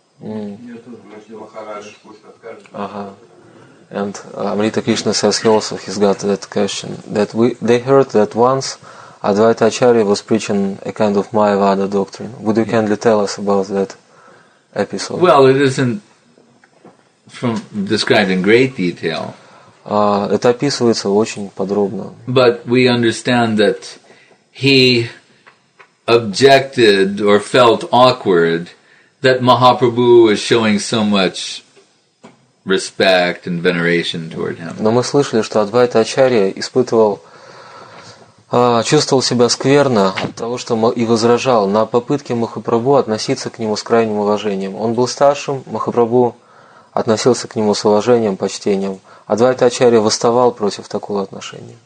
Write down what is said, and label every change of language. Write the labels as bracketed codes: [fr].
[en] And Amrita Krishna says he also has got that question. That they heard that once Advaita Acharya was preaching a kind of Mayavada doctrine. Would you kindly tell us about that episode? Well, it isn't from described in great detail. [ru] Это описывается очень подробно. [en] But we understand that he objected or felt awkward that Mahaprabhu was showing so much respect and veneration toward him. [ru] Но мы слышали, что Адвайта Ачарья испытывал, чувствовал себя скверно от того, что и возражал на попытки Махапрабху относиться к нему с крайним уважением. Он был старшим, Махапрабху относился к нему с уважением, почтением. Адвайта Ачарья восставал против такого отношения.